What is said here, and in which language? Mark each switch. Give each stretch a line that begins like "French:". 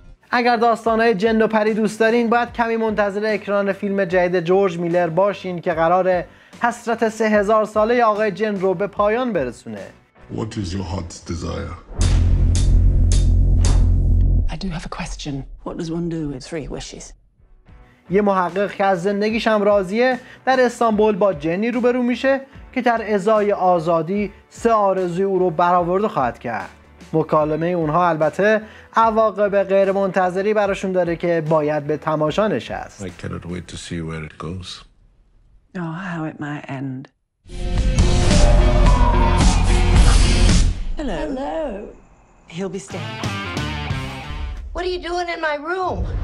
Persian: اگر داستانهای جن و پری دوست دارین باید کمی منتظر اکران فیلم جدید جورج میلر باشین که قراره حسرت 3000 ساله آقای جن رو به پایان برسونه.
English: What is your heart's desire? I do have a question. What does one do with three wishes?
Persian: یه محقق که از زندگیش هم راضیه در استانبول با جنی روبرو میشه که در ازای آزادی سه آرزوی او رو برآورده خواهد کرد. مکالمه اونها البته عواقب غیر منتظری براشون داره که باید به تماشا نشست.
English: I cannot wait to see where it goes. Oh, how it might end. Hello. Hello. He'll be staying. What are you doing in my room?